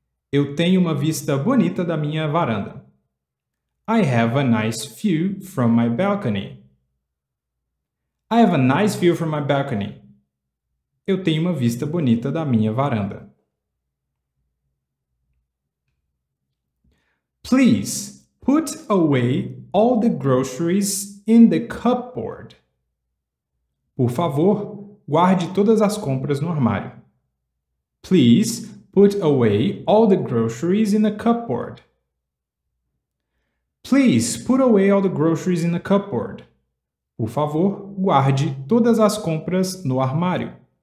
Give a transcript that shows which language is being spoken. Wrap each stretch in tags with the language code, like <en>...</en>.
<pt>Eu tenho uma vista bonita da minha varanda.</pt> <en>I have a nice view from my balcony. I have a nice view from my balcony.</en> <pt>Eu tenho uma vista bonita da minha varanda.</pt> <en>Please put away all the groceries in the cupboard.</en> <pt>Por favor, guarde todas as compras no armário.</pt> <en>Please put away all the groceries in the cupboard. Please put away all the groceries in the cupboard.</en> <pt>Por favor, guarde todas as compras no armário.</pt>